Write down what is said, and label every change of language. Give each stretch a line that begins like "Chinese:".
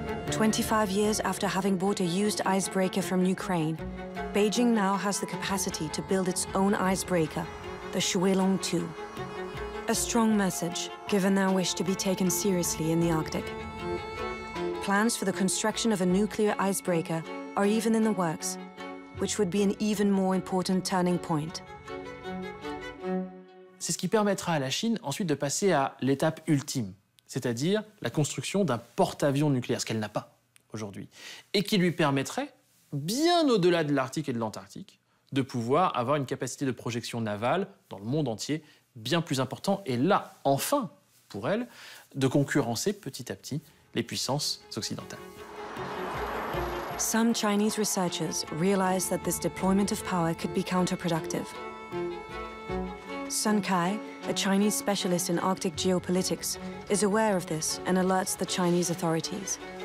English: 25 years after having bought a used icebreaker from Ukraine, Beijing now has the capacity to build its own icebreaker, the Xuelong 2. A strong message, given their wish to be taken seriously in the Arctic. Plans for the construction of a nuclear icebreaker are even in the works, which would be an even more important turning point.
French: C'est ce qui permettra à la Chine ensuite de passer à l'étape ultime, c'est-à-dire la construction d'un porte-avions nucléaire, ce qu'elle n'a pas aujourd'hui, et qui lui permettrait, bien au-delà de l'Arctique et de l'Antarctique, de pouvoir avoir une capacité de projection navale dans le monde entier bien plus importante, et là, enfin, pour elle, de concurrencer petit à petit les puissances occidentales.
English: Some Chinese researchers realize that this deployment of power could be counterproductive. Sun Kai, a Chinese specialist in Arctic geopolitics, is aware of this and alerts the Chinese authorities.